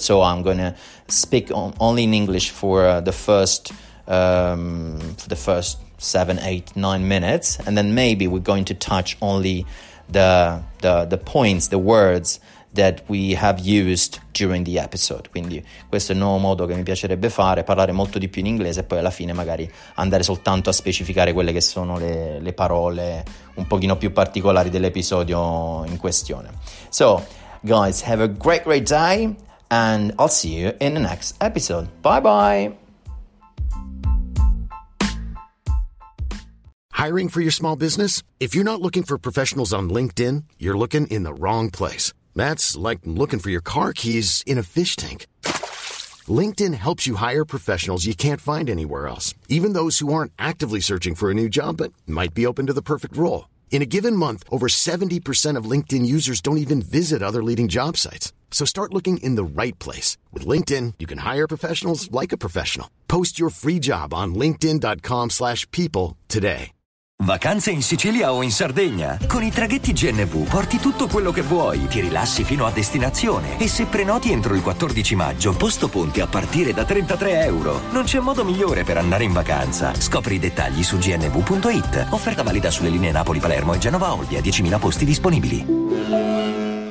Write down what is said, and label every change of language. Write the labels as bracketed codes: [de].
[en] So I'm gonna speak only in English for the first 7, 8, 9 minutes, and then maybe we're going to touch only the points, the words that we have used during the episode. [it] Quindi questo è il nuovo modo che mi piacerebbe fare, parlare molto di più in inglese e poi alla fine magari andare soltanto a specificare quelle che sono le parole un pochino più particolari dell'episodio in questione. [en] So guys, have a great day And I'll see you in the next episode. Bye-bye. Hiring for your small business? If you're not looking for professionals on LinkedIn, you're looking in the wrong place. That's like looking for your car keys in a fish tank. LinkedIn helps you hire professionals you can't find anywhere else, even those who aren't actively searching for a new job but might be open to the perfect role. In a given month, over 70% of LinkedIn users don't even visit other leading job sites. So start looking in the right place. With LinkedIn, you can hire professionals like a professional. Post your free job on linkedin.com/people today. [it] Vacanze in Sicilia o in Sardegna? Con i traghetti GNV porti tutto quello che vuoi, ti rilassi fino a destinazione e se prenoti entro il 14 maggio, posto ponti a partire da 33 euro. Non c'è modo migliore per andare in vacanza. Scopri i dettagli su gnv.it. Offerta valida sulle linee Napoli-Palermo e Genova-Olbia. 10.000 posti disponibili.